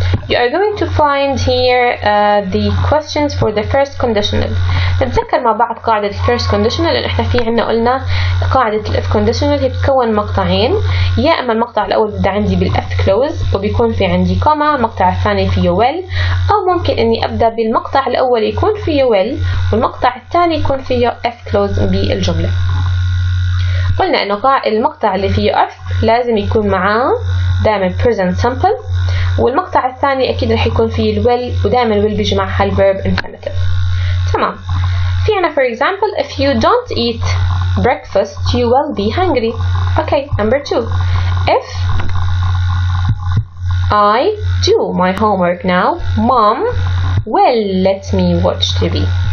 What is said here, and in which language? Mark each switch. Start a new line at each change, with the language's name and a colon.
English: You are going to find here the questions for the first conditional.
Arabic: نتذكر مع بعض قاعدة الـ first conditional اللي احنا فيه عنا قلنا قاعدة الـ if conditional هي بتكون مقطعين يا اما المقطع الاول بدأ عندي بالـ if close وبيكون في عندي comma المقطع الثاني فيه well او ممكن اني ابدأ بالمقطع الاول يكون فيه well والمقطع الثاني يكون فيه if close بالجملة. قلنا انه المقطع اللي فيه if لازم يكون معاه دائما present simple والمقطع الثاني اكيد رح يكون فيه الويل ودائما الويل بيجي معها الverb infinitive. تمام. في عنا
English: for example if you don't eat breakfast you will be hungry. Okay, number two. If I do my homework now, mom will let me watch TV.